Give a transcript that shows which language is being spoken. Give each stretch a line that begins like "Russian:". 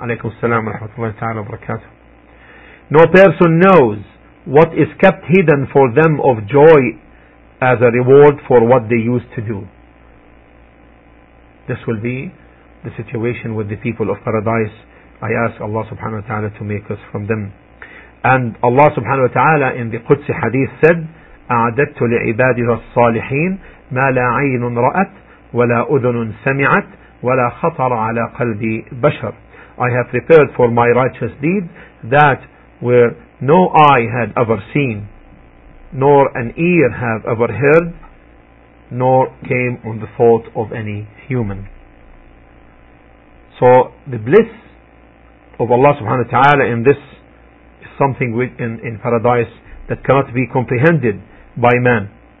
Arabic: عليكم السلام ورحمة الله تعالى وبركاته.
English: No person knows what is kept hidden for them of joy as a reward for what they used to do. This will be the situation with the people of paradise. I ask Allah subhanahu wa ta'ala to make us from them. And Allah subhanahu wa ta'ala in the Qudsi hadith said,
Arabic: أعددت لعبادي الصالحين ما لا عين رأت ولا أذن سمعت ولا خطر على قلب بشر.
English: I have prepared for my righteous deed that where no eye had ever seen, nor an ear have ever heard, nor came on the thought of any human. So the bliss of Allah subhanahu wa ta'ala in this is something in paradise that cannot be comprehended by man.